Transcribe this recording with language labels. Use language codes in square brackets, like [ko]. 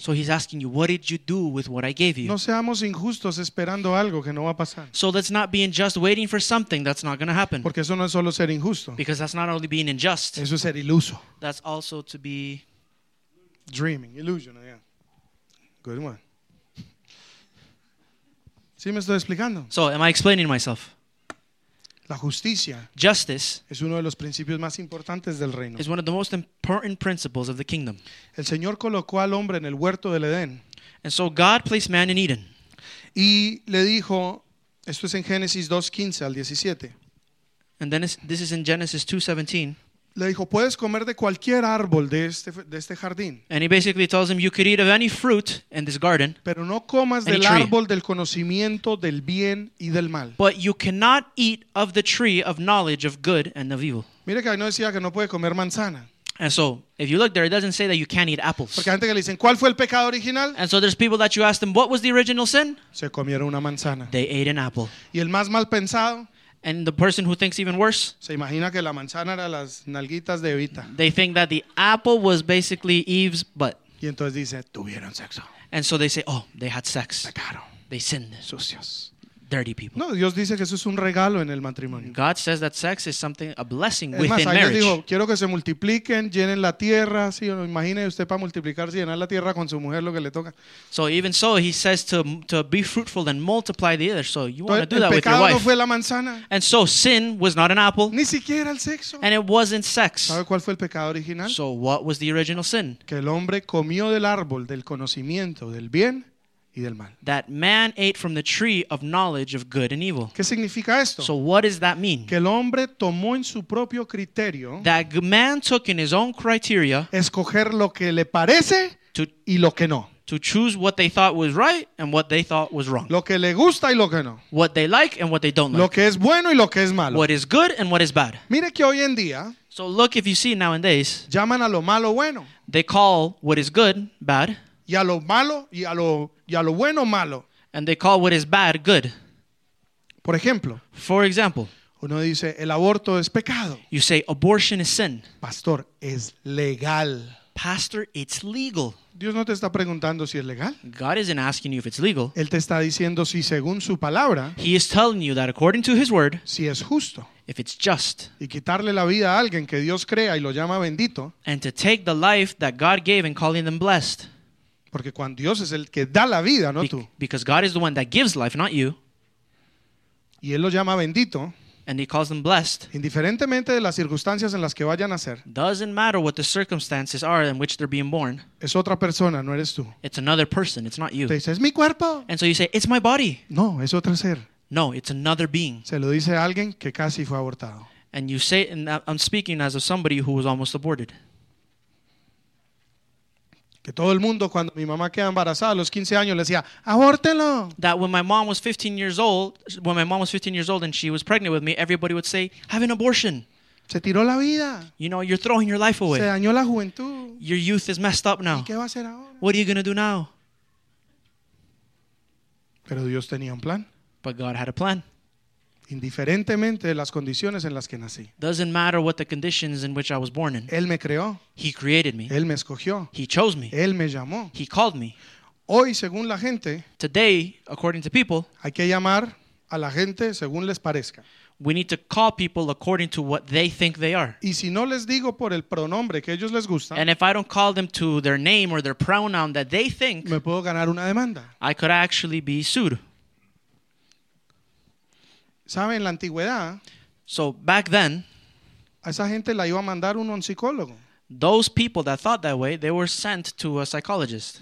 [en] So he's asking you, what did you do with what I gave you? [es] No seamos injustos esperando algo que no va a pasar. [en] So let's not be unjust waiting for something that's not going to happen. [es] Porque eso no es solo ser injusto. [en] Because that's not only being unjust. [es] Eso es ser iluso. [en] That's also to be Dreaming, illusion, yeah. Good one. [es] ¿Sí me estoy explicando? [en] So, am I explaining myself? [es] La justicia. [en] Justice. [es] Es uno de los principios más importantes del reino. [en] Is one of the most important principles of the kingdom. [es] El Señor colocó al hombre en el huerto del Edén. [en] And so God placed man in Eden. [es] Y le dijo, esto es en Génesis 2:15 al 17. [en] And then this is in Genesis 2:17. [es] Le dijo, puedes comer de cualquier árbol de este jardín. [en] And he basically tells him, you could eat of any fruit in this garden. [es] Pero no comas del árbol del conocimiento del bien y del mal. [en] But you cannot eat of the tree of knowledge of good and of evil. [es] Mira que ahí no decía que no puede comer manzana. [en] And so, if you look there, it doesn't say that you can't eat apples. [es] Porque hay gente que le dicen, ¿cuál fue el pecado original? [en] And so there's people that you ask them, what was the original sin? [es] Se comieron una manzana. [en] They ate an apple. [es] Y el más mal pensado. [en] And the person who thinks even worse. [es] Se imagina que la manzana era las nalguitas de Evita. [en] They think that the apple was basically Eve's butt. [es] Y entonces dice, tuvieron sexo. [en] And so they say, oh, they had sex. [es] Pecaron. [en] They sinned. [es] Sucios. [en] Dirty people. [es] No, Dios dice que eso es un regalo en el matrimonio. [en] God says that sex is something, a blessing within marriage. [es] Es más, alguien dijo, quiero que se multipliquen, llenen la tierra. Sí, imagine usted para multiplicarse y llenar la tierra con su mujer lo que le toca. [en] So even so, he says to be fruitful and multiply the other. So you want to do that with your [es] wife. El pecado no fue la manzana. [en] And so sin was not an apple. [es] Ni siquiera el sexo. [en] And it wasn't sex. [es] ¿Sabe cuál fue el pecado original? [en] So what was the original sin? [es] Que el hombre comió del árbol del conocimiento del bien. [en] That man ate from the tree of knowledge of good and evil. [es] ¿Qué significa esto? [en] So what does that mean? [es] Que el hombre tomó en su propio criterio. [en] That man took in his own criteria. [es] Escoger lo que le parece to, y lo que no. [en] To choose what they thought was right and what they thought was wrong. [es] Lo que le gusta y lo que no. [en] What they like and what they don't like. [es] Lo que es bueno y lo que es malo. [en] What is good and what is bad. [es] Mire que hoy en día. [en] So look if you see nowadays. [es] Llaman a lo malo bueno. [en] They call what is good bad. [es] Y a lo malo y a lo bueno malo. [en] And they call what is bad good. [es] Por ejemplo. [en] For example. [es] Uno dice el aborto es pecado. [en] You say abortion is sin. [es] Pastor, es legal. [en] Pastor, it's legal. [es] Dios no te está preguntando si es legal. [en] God isn't asking you if it's legal. [es] Él te está diciendo si según su palabra. [en] He is telling you that according to his word. [es] Si es justo. [en] If it's just. [es] Y quitarle la vida a alguien que Dios crea y lo llama bendito. [en] And to take the life that God gave and calling them blessed. [es] Porque cuando Dios es el que da la vida, no tú. [en] Because God is the one that gives life, not you. [es] Y él lo llama bendito. [en] And he calls them blessed. [es] Independientemente de las circunstancias en las que vayan a ser. [en] Doesn't matter what the circumstances are in which they're being born. [es] Es otra persona, no eres tú. [en] It's another person, it's not you. [es] Te dice, es mi cuerpo. [en] And so you say, it's my body. [es] No, es otro ser. [en] No, it's another being. [es] Se lo dice a alguien que casi fue abortado. [en] And you say, and I'm speaking as of somebody who was almost aborted. [es] Que todo el mundo cuando mi mamá queda embarazada a los 15 años le decía, "Abórtelo." [en] That when my mom was 15 years old, when my mom was 15 years old and she was pregnant with me, everybody would say, "Have an abortion." [es] Se tiró la vida. [en] You know, you're throwing your life away. [es] Se dañó la juventud. [en] Your youth is messed up now. [es] ¿Y qué va a hacer ahora? [en] What are you going to do now? [es] Pero Dios tenía un plan. [en] But God had a plan. [es] Indiferentemente de las condiciones en las que nací. [en] Doesn't matter what the conditions in which I was born in. [es] Él me creó. [en] He created me. [es] Él me escogió. [en] He chose me. [es] Él me llamó. [en] He called me. [es] Hoy, según la gente, [en] today, according to people, [es] hay que llamar a la gente según les parezca. [en] We need to call people according to what they think they are. [es] Y si no les digo por el pronombre que ellos les gusta, [en] and if I don't call them to their name or their pronoun that they think, [es] me puedo ganar una demanda. [en] I could actually be sued. [es] ¿Saben la antigüedad? [en] So back then, [es] a esa gente la iba a mandar uno a un psicólogo. [en] Those people that thought that way, they were sent to a psychologist.